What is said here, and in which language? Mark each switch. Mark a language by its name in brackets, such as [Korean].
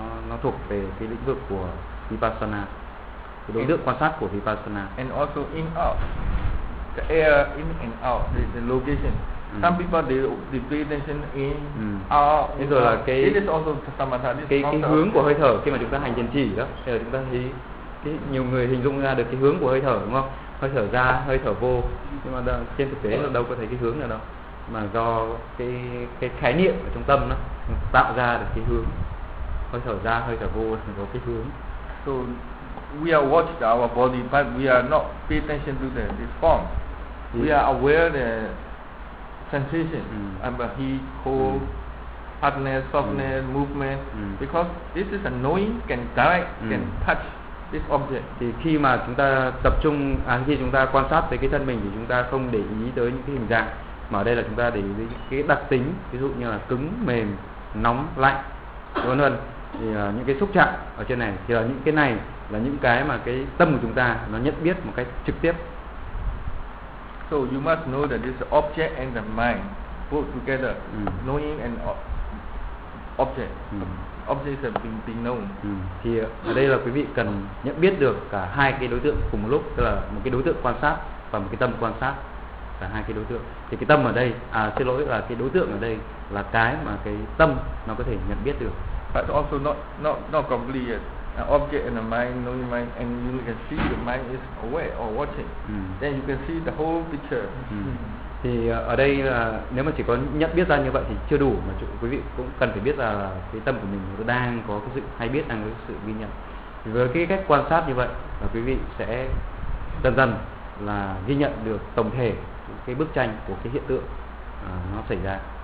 [Vietnamese] Nó thuộc về cái lĩnh vực của vipassana, cái đối tượng quan sát của vipassana. [English] And also in out, the air in and out, the location. Some people they pay attention in, out. [Vietnamese] Thế rồi là cái [English] it is also samatha, [Vietnamese] cái hướng của hơi thở khi mà chúng ta hành thiền chỉ đó. Thì chúng ta thấy cái nhiều người hình dung ra được cái hướng của hơi thở, đúng không? Hơi thở ra, hơi thở vô. Nhưng mà trên thực tế là đâu có thấy cái hướng nào đâu, mà do cái khái niệm ở trong tâm đó tạo ra được cái hướng. Hơi thở ra, hơi thở vô là có cái hướng. [English] So we are watching our body, but we are not paying attention to this form. We are aware the sensation, about heat, cold, hardness, softness, movement. Because this is a knowing, can direct, can touch this object. [Vietnamese] Thì khi mà chúng ta tập trung, khi chúng ta quan sát tới cái thân mình thì chúng ta không để ý tới những cái hình dạng. Mà ở đây là chúng ta để ý cái đặc tính, ví dụ như là cứng, mềm, nóng, lạnh, vân vân. Thì những cái xúc chạm ở trên này, thì là những cái này là những cái mà cái tâm của chúng ta nó nhận biết một cách trực tiếp. [English] So you must know that this object and the mind put together, knowing and object. Object is being known. [Vietnamese] Thì ở đây là quý vị cần nhận biết được cả hai cái đối tượng cùng một lúc, tức là một cái đối tượng quan sát và một cái tâm quan sát. Cả hai cái đối tượng, thì cái tâm ở đây xin lỗi, là cái đối tượng ở đây là cái mà cái tâm nó có thể nhận biết được. [English] But also not completely yet. An object and a mind, knowing mind, and you can see the mind is aware or watching. Then you can see the whole picture. [Vietnamese] Thì ở đây là nếu mà chỉ có nhận biết ra như vậy thì chưa đủ, mà quý vị cũng cần phải biết là cái tâm của mình nó đang có cái sự hay biết, đang có sự ghi nhận. Thì với cái cách quan sát như vậy là quý vị sẽ dần dần là ghi nhận được tổng thể cái bức tranh của cái hiện tượng nó xảy ra.